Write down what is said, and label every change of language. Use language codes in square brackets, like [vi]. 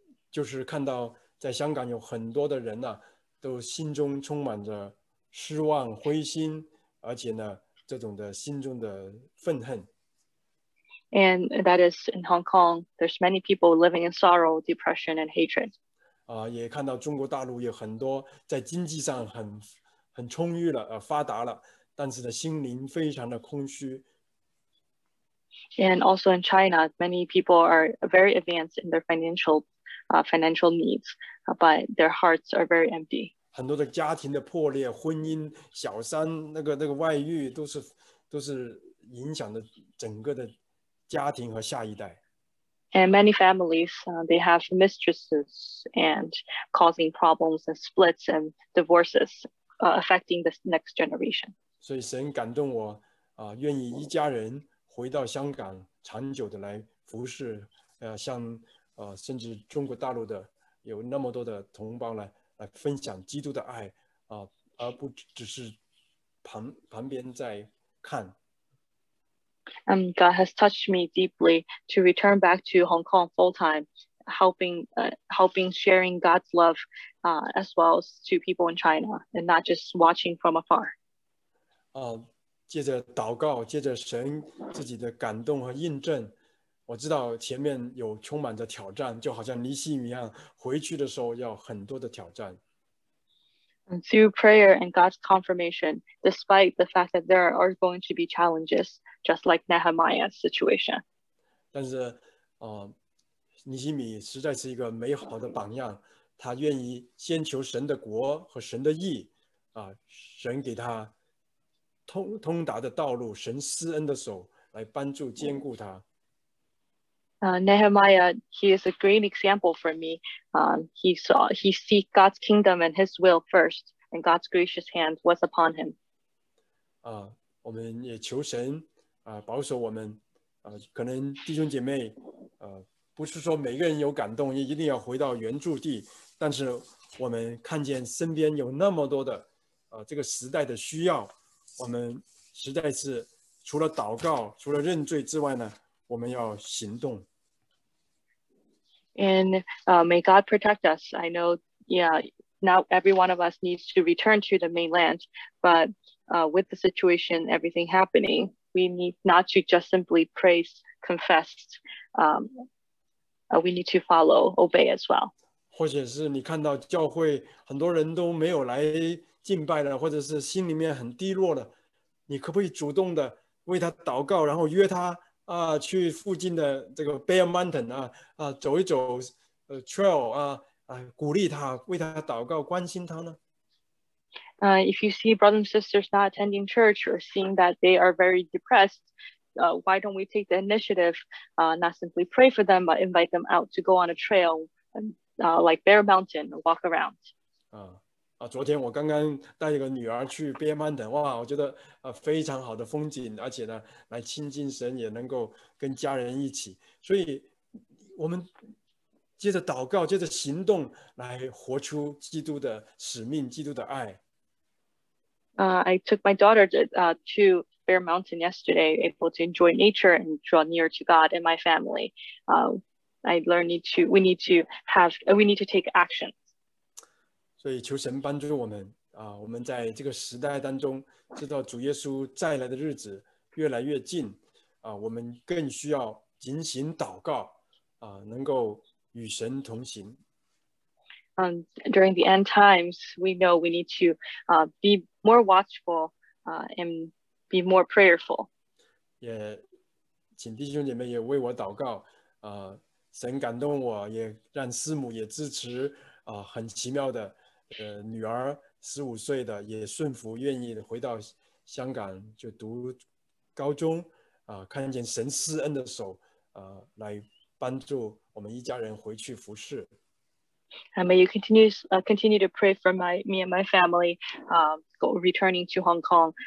[zh] 就是看到在香港有很多的人呢，都心中充满着失望、灰心，而且呢，这种的心中的愤恨。 [en] And that is in Hong Kong. There's many people living in sorrow, depression, and hatred. [zh] 也看到中国大陆有很多在经济上很充裕了，发达了，但是呢，心灵非常的空虚。 [en] And also in China, many people are very advanced in their financial needs, but their hearts are very empty. [zh] 很多的家庭的破裂、婚姻、小三、那个外遇，都是影响的整个的家庭和下一代。 [en] And many families, they have mistresses and causing problems and splits and divorces, affecting the next generation. [zh] 所以神感动我，愿意一家人回到香港，长久的来服侍，像甚至中国大陆的有那么多的同胞来分享基督的爱，而不只是旁边在看。 [en] God has touched me deeply to return back to Hong Kong full time, helping sharing God's love, as well as to people in China, and not just watching from afar. [zh] 借着祷告，借着神自己的感动和印证，我知道前面有充满着挑战，就好像尼希米一样，回去的时候要很多的挑战。 [en] And through prayer and God's confirmation, despite the fact that there are going to be challenges, just like Nehemiah's situation. [zh] 但是，尼希米实在是一个美好的榜样，他愿意先求神的国和神的义，神给他通达的道路，神施恩的手来帮助坚固他。 [en] Nehemiah, he is a great example for me. He seek God's kingdom and His will first, and God's gracious hand was upon him. [zh] 我们也求神保守我们。可能弟兄姐妹，不是说每个人有感动，也一定要回到原住地。但是我们看见身边有那么多的这个时代的需要，我们实在是除了祷告、除了认罪之外呢？我们要行动。 [en] And may God protect us. I know, not every one of us needs to return to the mainland, but with the situation, everything happening, we need not to just simply praise, confess. We need to follow, obey as well. [zh] 或者是你看到教会很多人都没有来敬拜了，或者是心里面很低落了，你可不可以主动的为他祷告，然后约他？去附近的这个 Bear Mountain 走一走，trail 鼓励他，为他祷告，关心他呢。 [en] If you see brothers and sisters not attending church or seeing that they are very depressed, why don't we take the initiative, not simply pray for them, but invite them out to go on a trail, like Bear Mountain, walk around. [zh] 昨天我刚刚带一个女儿去 Bear Mountain， 哇，我觉得非常好的风景，而且呢，来亲近神也能够跟家人一起，所以我们接着祷告，接着行动来活出基督的使命，基督的爱。 [en] I took my daughter to Bear Mountain yesterday, able to enjoy nature and draw near to God and my family. We need to take action. [zh] 所以求神帮助我们，我们在这个时代当中，知道主耶稣再来的日子越来越近，我们更需要警醒祷告，能够与神同行。 [en] during the end times, we know we need to be more watchful and be more prayerful. [zh] 也请弟兄姐妹也为我祷告，神感动我，也让师母也支持，很奇妙的，女儿15岁的也顺服，愿意回到香港就读高中，看见神施恩的手，来帮助我们一家人回去服事。 [en] May you continue to pray for me and my family returning to Hong Kong.